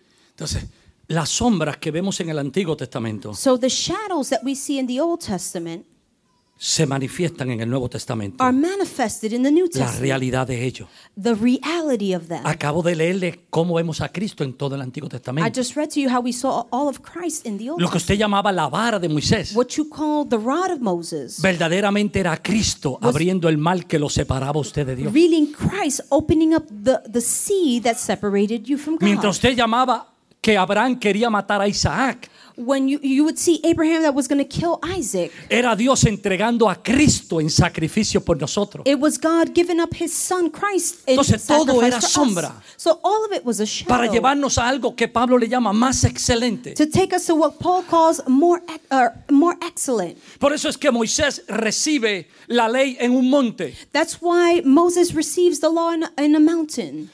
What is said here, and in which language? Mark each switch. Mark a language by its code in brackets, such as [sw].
[es] Entonces, las sombras que vemos en el Antiguo Testamento. [en] So the shadows that we see in the Old Testament. [es] Se manifiestan en el Nuevo Testamento. [en] Are manifested in the New Testament. [es] La realidad de ello. [en] The reality of them. [es] Acabo de leerle cómo vemos a Cristo en todo el Antiguo Testamento. [en] I just read to you how we saw all of Christ in the Old. [es] Lo que usted llamaba la vara de Moisés. [en] What you call the rod of Moses. [es] Verdaderamente era Cristo abriendo el mal que lo separaba usted de Dios. [en] Really Christ opening up the sea that separated you from God. [es] Mientras usted llamaba que Abraham quería matar a Isaac. [en] When you would see Abraham that was going to kill Isaac. [es] Era Dios entregando a Cristo en sacrificio por nosotros. [en] It was God giving up his son Christ in sacrifice. [es] Entonces todo era sombra. [en] So all of it was a shadow. [es] Para llevarnos a algo que Pablo le llama más excelente. [en] To take us to what Paul calls more excellent. [es] Por eso es que Moisés recibe la ley en un monte. [en] That's why Moses receives the law in a mountain.